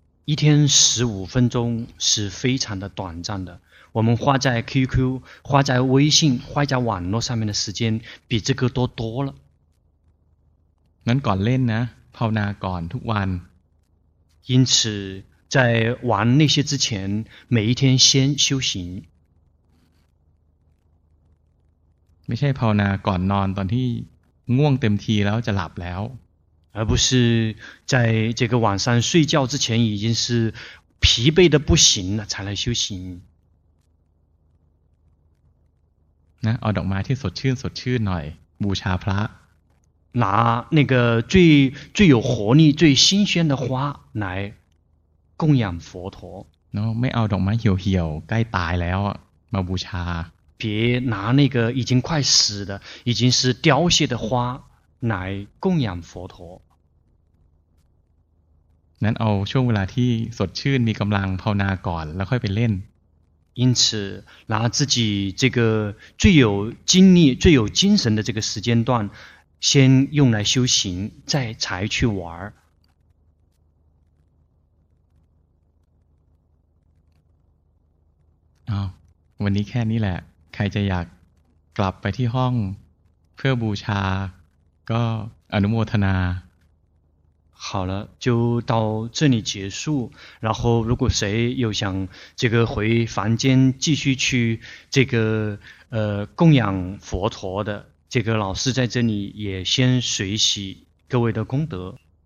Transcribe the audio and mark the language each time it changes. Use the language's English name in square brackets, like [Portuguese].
[Chinese] 一天15分钟是非常的短暂的，我们花在 QQ 花在微信花在网络上面的时间比这个多多了。 [Thai] นั้นก่อนเล่นนะภาวนาก่อนทุกวัน [Chinese] 因此在玩那些之前每一天先修行。 [Thai] ไม่ใช่ภาวนาก่อนนอนตอนที่ง่วงเต็มทีแล้วจะหลับแล้ว [Chinese] 而不是在这个晚上睡觉之前已经是疲惫的不行了才来修行。 [Thai] นะเอาดอกไม้ที่สดชื่นสดชื่นหน่อยบูชาพระ [Chinese] 拿那个最最有活力最新鲜的花来供养佛陀 [Thai] เนาะไม่เอาดอกไม้เหี่ยวเหี่ยวใกล้ตายแล้วมาบูชา [Chinese] 别拿那个已经快死的已经是凋谢的花来供养佛陀 [Thai] นั้นเอาช่วงเวลาที่สดชื่นมีกำลังภาวนาก่อนแล้วค่อยไปเล่น [Chinese] 因此拿自己这个最有精力最有精神的这个时间段先用来修行再才去玩儿。 [Thai] วันนี้แค่นี้แหละใครจะอยากกลับไปที่ห้องเพื่อบูชาก็อนุโมทนา [Chinese] 好了就到这里结束然后如果谁又想这个回房间继续去这个供养佛陀的这个老师在这里也先随喜各位的功德